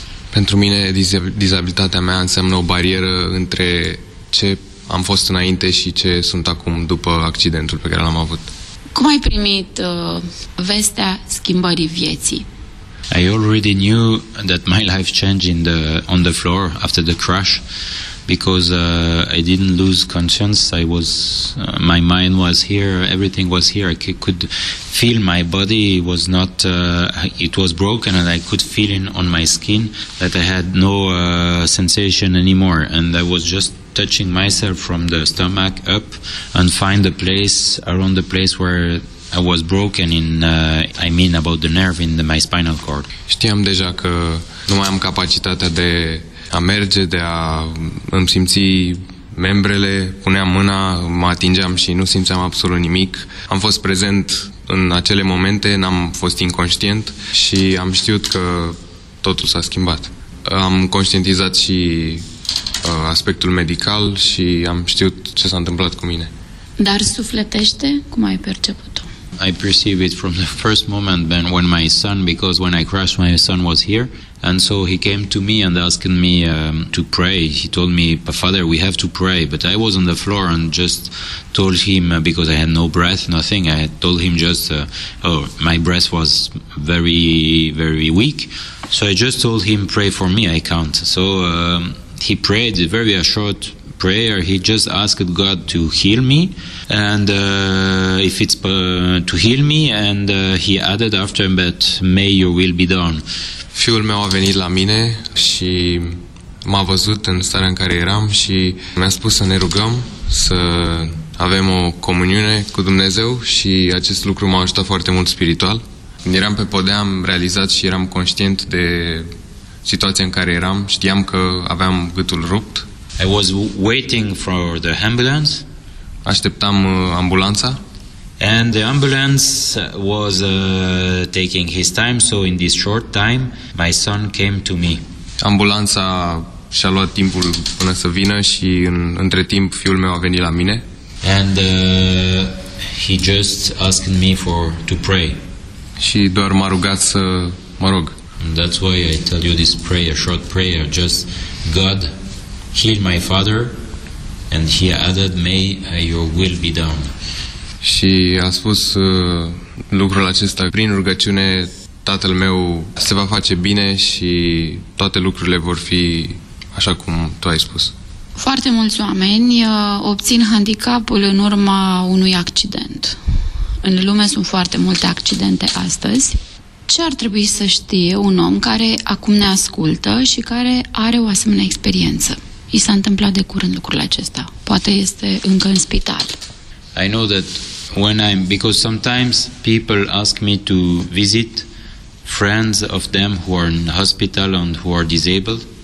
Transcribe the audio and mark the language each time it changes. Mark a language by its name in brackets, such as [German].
[Romanian] Pentru mine dizabilitatea mea înseamnă o barieră între ce am fost înainte și ce sunt acum după accidentul pe care l-am avut. Cum ai primit vestea schimbării vieții? [English] I already knew that my life changed on the floor after the crash, because I didn't lose conscience. I was my mind was here, everything was here. I could feel my body was not it was broken, and I could feel in on my skin that I had no sensation anymore, and I was just touching myself from the stomach up and find a place around the place where I was broken in about the nerve in my spinal cord. [Romanian] Știam deja că nu mai am capacitatea de a merge, de a îmi simți membrele, puneam mâna, mă atingeam și nu simțeam absolut nimic. Am fost prezent în acele momente, n-am fost inconștient și am știut că totul s-a schimbat. Am conștientizat și aspectul medical și am știut ce s-a întâmplat cu mine. Dar sufletește, cum ai perceput-o? [English] I perceive it from the first moment when my son, because when I crashed, my son was here. And so he came to me and asking me to pray. He told me, Father, we have to pray. But I was on the floor and just told him, because I had no breath, nothing. I told him just, my breath was very, very weak. So I just told him, pray for me, I can't. So he prayed a very short prayer. He just asked God to heal me, and if it's to heal me, and he added after, but may your will be done. [Romanian] Fiul meu a venit la mine și m-a văzut în starea în care eram și mi-a spus să ne rugăm, să avem o comuniune cu Dumnezeu, și acest lucru m-a ajutat foarte mult spiritual. Când eram pe podea, am realizat și eram conștient de situația în care eram. Știam că aveam gâtul rupt. [English] I was waiting for the ambulance. [Romanian] Așteptam ambulanța. [English] And the ambulance was taking his time, so in this short time, my son came to me. [Romanian] Ambulanța și-a luat timpul până să vină și între timp fiul meu a venit la mine. [English] And he just asked me to pray. [Romanian] Și doar m-a rugat să mă rog. [English] And that's why I tell you this prayer, short prayer, just God, heal my father And he added, may your will be done. [Romanian] Și a spus lucrul acesta, prin rugăciune, tatăl meu se va face bine și toate lucrurile vor fi așa cum tu ai spus. Foarte mulți oameni obțin handicapul în urma unui accident. În lume sunt foarte multe accidente astăzi. Ce ar trebui să știe un om care acum ne ascultă și care are o asemenea experiență? I s-a întâmplat de curând lucrul acesta. Poate este încă în spital. [English] I know that when I'm, because sometimes people ask me to visit friends of them who are in hospital and who are disabled.